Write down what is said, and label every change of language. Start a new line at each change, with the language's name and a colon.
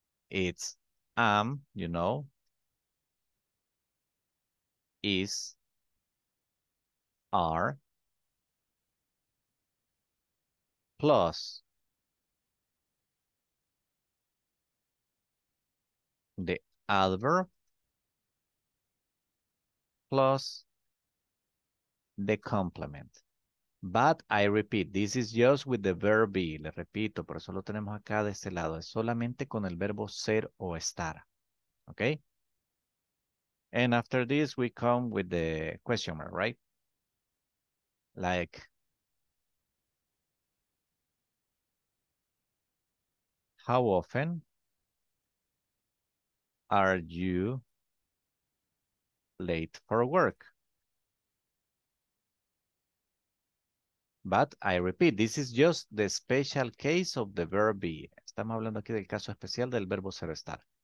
English: It's am, you know, is, are, plus the adverb, plus the complement. But I repeat, this is just with the verb be.
Spanish: Le repito, por eso lo tenemos acá de este lado. Es solamente con el verbo ser o estar.
English: Okay? And after this, we come with the question mark, right? Like, how often are you late for work? But I repeat, this is just the special case of the verb be.
Spanish: Estamos hablando aquí del caso especial del verbo ser estar.